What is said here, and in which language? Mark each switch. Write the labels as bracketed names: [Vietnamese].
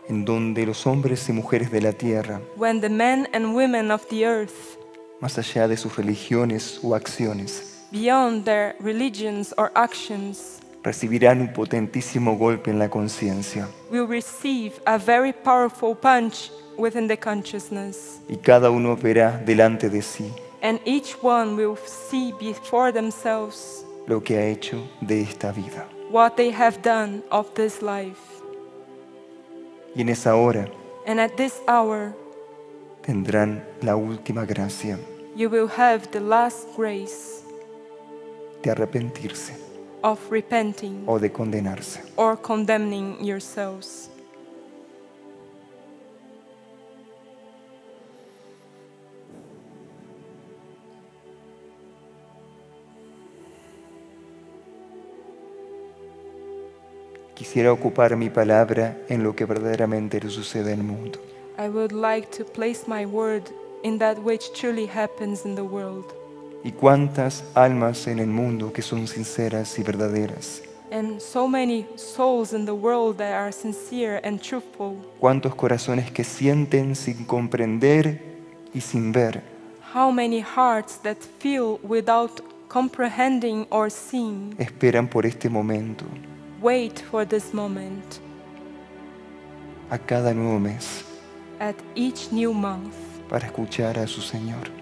[Spanish] en donde los hombres y mujeres de la tierra, [English] when the men and women of the earth, [Spanish] más allá de sus religiones o acciones, [English] beyond their religions or actions, [Spanish] recibirán un potentísimo golpe en la conciencia, [English] will receive a very powerful punch within the consciousness, [Spanish] y cada uno verá delante de sí, [English] and each one will see before themselves, [Spanish] lo que ha hecho de esta vida, [English] what they have done of this life, [Spanish] y en esa hora, [English] and at this hour, [Spanish] tendrán la última gracia, [English] you will have the last grace, [Spanish] de arrepentirse, [English] of repenting, [Spanish] o de condenarse, [English] or condemning yourselves. [Spanish] Quisiera ocupar mi palabra en lo que verdaderamente sucede en el mundo. [English] I would like to place my word in that which truly happens in the world. [Spanish] Y cuántas almas en el mundo que son sinceras y verdaderas. [English] And so many souls in the world that are sincere and truthful. [Spanish] Cuántos corazones que sienten sin comprender y sin ver. [English] How many hearts that feel without comprehending or seeing. [Spanish] Esperan por este momento. [English] Wait for this moment. [Spanish] A cada nuevo mes. [English] At each new month. [Spanish] Para escuchar a su Señor.